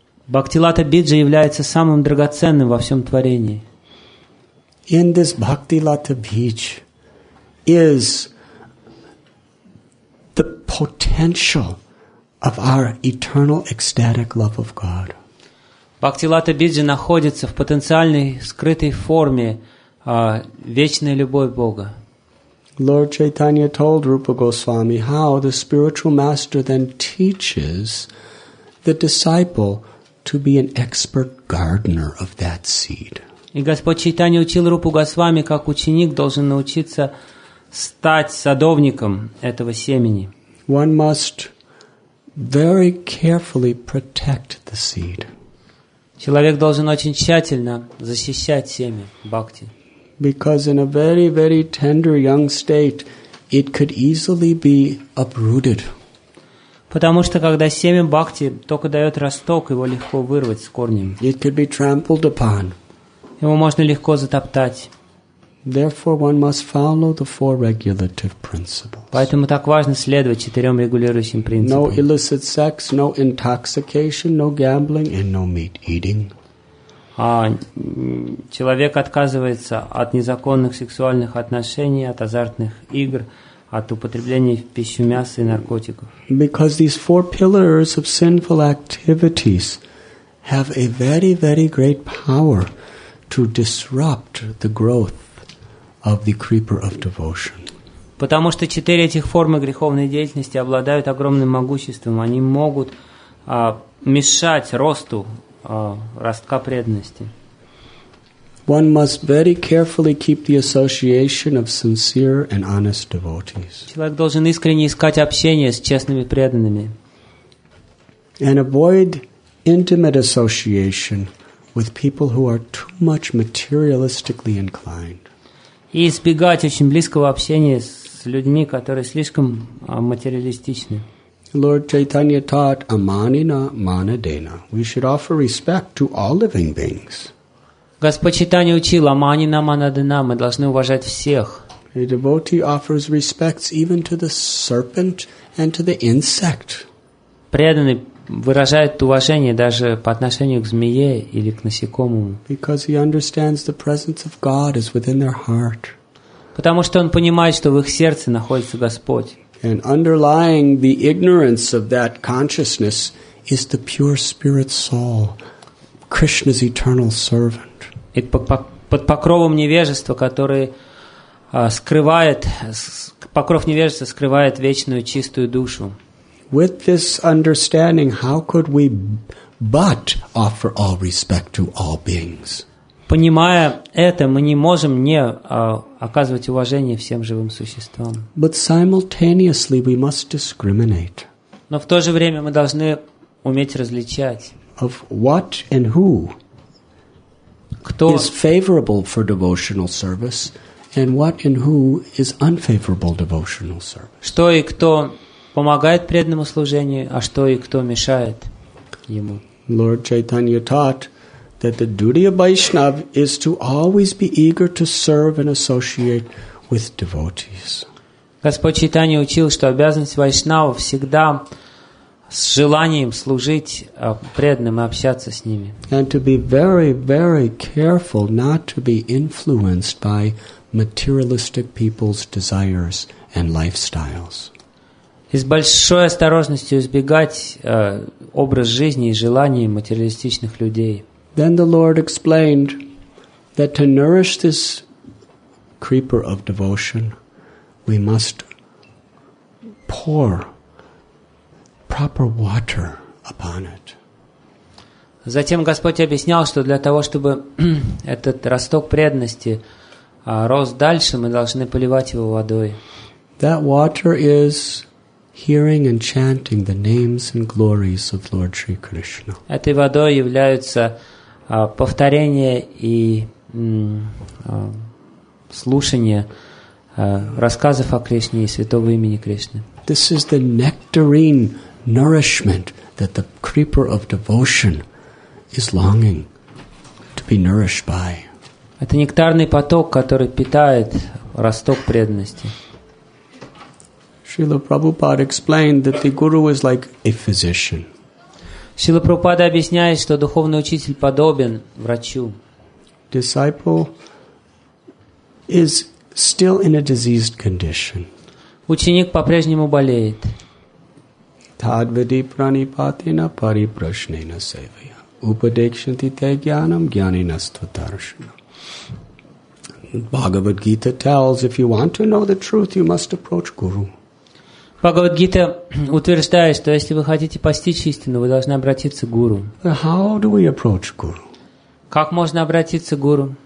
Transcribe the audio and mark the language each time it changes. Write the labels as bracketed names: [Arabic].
[Russian] Бхактилата биджа является самым драгоценным во всем творении. [English] In this Bhaktilata Bij is the potential of our eternal ecstatic love of God. [Russian] Бхактилата биджа находится в потенциальной скрытой форме вечной любви Бога. [English] Lord Chaitanya told Rupa Goswami how the spiritual master then teaches the disciple to be an expert gardener of that seed. [Russian] И Господь Чайтанья учил Рупу Госвами, как ученик должен научиться стать садовником этого семени. [English] One must very carefully protect the seed. [Russian] Человек должен очень тщательно защищать семя бхакти. [English] Because in a very, very tender young state, it could easily be uprooted. [Russian] Потому что когда семя бхакти только дает росток, его легко вырвать с корнем. [English] It could be trampled upon. [Russian] Его можно легко затоптать. [English] Therefore, one must follow the four regulative principles. [Russian] Поэтому так важно следовать четырем регулирующим принципам. [English] No illicit sex, no intoxication, no gambling, and no meat eating. [Russian] А человек отказывается от незаконных сексуальных отношений, от азартных игр, от употребления в пищу мяса и наркотиков. [English] Because these four pillars of sinful activities have a very, very great power to disrupt the growth of the creeper of devotion. [Russian] Потому что четыре этих формы греховной деятельности обладают огромным могуществом. Они могут мешать росту ростка преданности. [English] One must very carefully keep the association of sincere and honest devotees. [Russian] Человек должен искренне искать общение с честными преданными. [English] And avoid intimate association with people who are too much materialistically inclined. [Russian] И избегать очень близкого общения с людьми, которые слишком материалистичны. [English] Lord Chaitanya taught amanina manadena. We should offer respect to all living beings. [Russian] Господь Чайтанья учил аманина манадена. Мы должны уважать всех. [English] A devotee offers respects even to the serpent and to the insect. [Russian] Преданный выражает уважение даже по отношению к змее или к насекомому. [English] Because he understands the presence of God is within their heart. [Russian] Потому что он понимает, что в их сердце находится Господь. [English] And underlying the ignorance of that consciousness is the pure spirit soul, Krishna's eternal servant. [Russian] И под покровом невежества, который скрывает, покров невежества скрывает вечную чистую душу. [English] With this understanding, how could we but offer all respect to all beings? [Russian] Понимая это, мы не можем не оказывать уважение всем живым существам. [English] But simultaneously we must discriminate. [Russian] Но в то же время мы должны уметь различать. [English] Of what and who [Russian] кто [English] is favorable for devotional service and what and who is unfavorable devotional service. [Russian] Что и кто помогает преданному служению, а что и кто мешает ему. [English] Lord Chaitanya taught that the duty of Vaishnav is to always be eager to serve and associate with devotees. [Russian] Господь Чайтанья учил, что обязанность Вайшнава всегда с желанием служить преданным и общаться с ними. [English] And to be very, very careful not to be influenced by materialistic people's desires and lifestyles. [Russian] И с большой осторожностью избегать образ жизни и желаний материалистичных людей. [English] Then the Lord explained that to nourish this creeper of devotion, we must pour proper water upon it. [Russian] Затем Господь объяснял, что для того, чтобы этот росток преданности рос дальше, мы должны поливать его водой. [English] That water is hearing and chanting the names and glories of Lord Sri Krishna. [Russian] Этой водой являются повторение и слушание рассказов о Кришне и святого имени Кришны. [English] This is the nectarine nourishment that the creeper of devotion is longing to be nourished by. [Russian] Это нектарный поток, который питает росток преданности. [English] Srila Prabhupada explained that the guru is like a physician. [Russian] Srila Prabhupada объясняет, что духовный учитель подобен врачу. [English] Disciple is still in a diseased condition. [Russian] Ученик по-прежнему болеет. [Sanskrit] Tadvadi pranipatina pariprasnena sevaya. Upadekshanti te gyanam gyaninastvatarshana. [English] Bhagavad Gita tells, if you want to know the truth, you must approach guru. [Russian] Бхагавад-гита утверждает, что если вы хотите постичь истину, вы должны обратиться к гуру. [English] How do we approach guru? [Russian] Как можно обратиться к гуру?